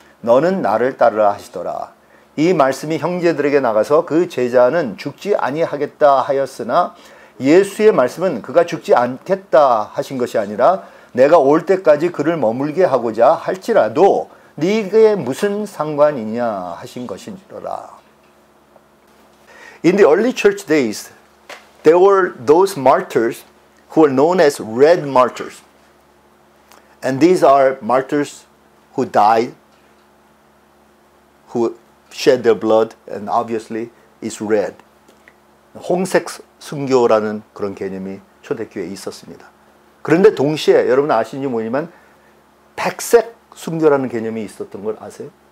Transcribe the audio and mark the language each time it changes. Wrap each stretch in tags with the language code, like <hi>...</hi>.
<ko>너는 나를 따르라 하시더라. 이 말씀이 형제들에게 나가서 그 제자는 죽지 아니하겠다 하였으나 예수의 말씀은 그가 죽지 않겠다 하신 것이 아니라 내가 올 때까지 그를 머물게 하고자 할지라도 네게 무슨 상관이냐 하신 것이더라.</ko> <en>In the early church days, there were those martyrs who were known as red martyrs. And these are martyrs who died, who shed their blood, and obviously it's red.</en> <ko>홍색 순교라는 그런 개념이 초대교회에 있었습니다. 그런데 동시에 여러분 아시는지 모르지만 백색 순교라는 개념이 있었던 걸 아세요?</ko>